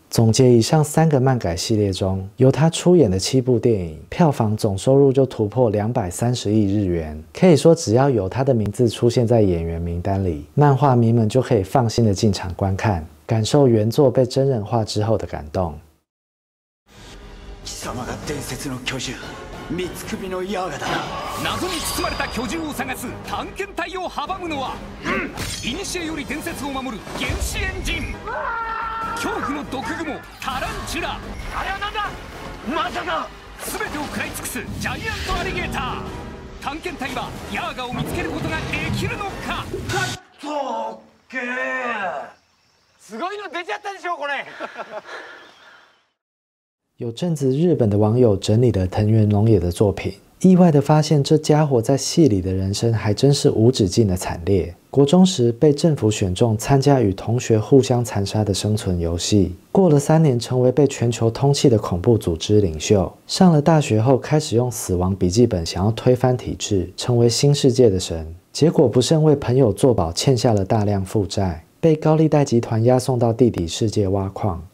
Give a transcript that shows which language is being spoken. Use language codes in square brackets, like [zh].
[zh] 总结以上三个漫改系列中由他出演的7部电影，票房总收入就突破230亿日元，可以说只要有他的名字出现在演员名单里，漫画迷们就可以放心的进场观看，感受原作被真人化之后的感动。 [ja] 貴様が伝説の巨獣、三つ首のヤーガだな。謎に包まれた巨獣を探す探検隊を阻むのは、うん、古より伝説を守る原始エンジン、恐怖の毒蜘蛛タランチュラ。あれはなんだ、まさか。全てを食らい尽くすジャイアントアリゲーター。探検隊はヤーガを見つけることができるのか。かっとっけー、すごいの出ちゃったでしょこれ。 [zh] 有阵子日本的网友整理了藤原龙也的作品，意外地发现这家伙在戏里的人生还真是无止境的惨烈。国中时被政府选中参加与同学互相残杀的生存游戏，过了3年成为被全球通缉的恐怖组织领袖，上了大学后开始用死亡笔记本想要推翻体制，成为新世界的神，结果不慎为朋友作保欠下了大量负债，被高利贷集团押送到地底世界挖矿。